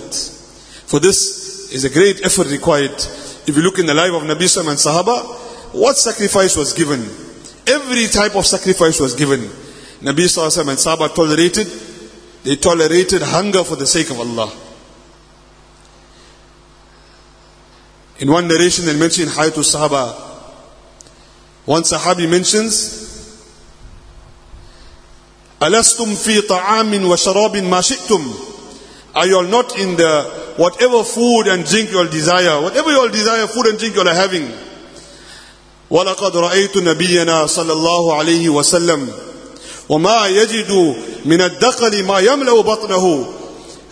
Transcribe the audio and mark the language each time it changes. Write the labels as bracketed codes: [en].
[en] For this is a great effort required. If you look in the life of Nabi Sallam and Sahaba, what sacrifice was given? Every type of sacrifice was given. Nabi Sallam and Sahaba tolerated, they tolerated hunger for the sake of Allah. In one narration they mentioned Hayatul Sahaba. One Sahabi mentions, [ar] أَلَسْتُمْ فِي طَعَامٍ وَشَرَابٍ مَا شِئْتُمْ. [en] Are you all not in the whatever food and drink you all desire, whatever you all desire, food and drink you all are having? [ar] وَلَقَدْ رَأَيْتُ نَبِيَّنَا صَلَّى اللَّهُ عَلَيْهِ وَسَلَّمُ وَمَا يَجِدُ مِنَ الدَّقَلِ مَا يَمْلَوْ بَطْنَهُ.